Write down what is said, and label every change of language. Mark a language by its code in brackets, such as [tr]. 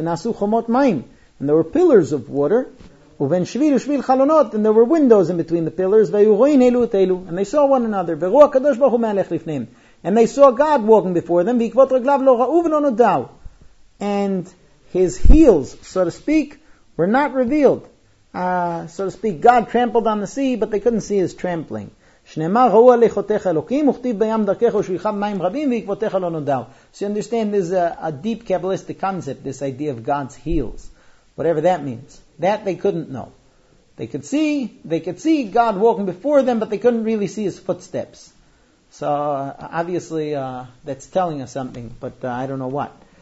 [he] V'nasu Chomot Maim, [en] and there were pillars of water, [he] uven Shvil Shvil Chalonot, [en] and there were windows in between the pillars, [he] v'yu Roin Elu Telu, [en] and they saw one another, [he] v'ru HaKadosh Baruch Hu Me'alech Lifneim, [en] and they saw God walking before them, [he] v'ikvot Raglav Lo Ra'u V'lo Nodav, [en] and his heels, so to speak, were not revealed. So to speak, God trampled on the sea, but they couldn't see his trampling. [he] שנאמר ראו הליכותיך אלוקים, וכתיב בים דרכך ושביכם מים רבים, ועקבותיך לא נודעו. [en] So you understand there's a deep Kabbalistic concept, this idea of God's heels, whatever that means. That they couldn't know. They could see God walking before them, but they couldn't really see his footsteps. So obviously that's telling us something, but I don't know what.